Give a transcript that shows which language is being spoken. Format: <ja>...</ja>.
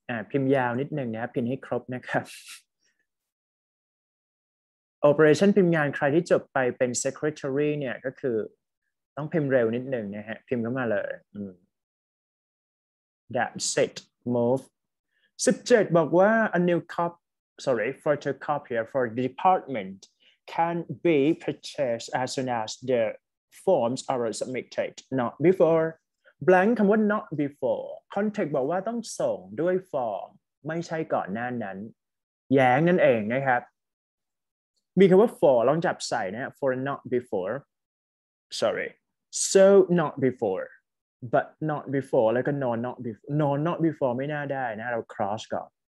<th>พิมพ์ยาวนิดนึงนะพิมพ์ให้ครบนะครับ operation พิมพ์งานใครที่จบไปเป็น secretary เนี่ยก็คือต้องพิมพ์เร็วนิดหนึ่งนะฮะพิมพ์เข้ามาเลย</th> <en>That's it move 17</en> <th>บอกว่า</th> <en>a new copy sorry photocopier for department can be purchased as soon as the forms are submitted, not before. Blank คำว่า not before.</en> <th>Context บอกว่าต้องส่งด้วยฟอร์มไม่ใช่ก่อนหน้านั้นแย้งนั่นเองนะครับมีคำว่า for ลองจับใส่นะ</th> <en>for not before sorry so not before</en> <th>but not before แล้วก็</th> <en>no not before no not before</en> <th>ไม่น่าได้นะเรา cross ก่อน</th>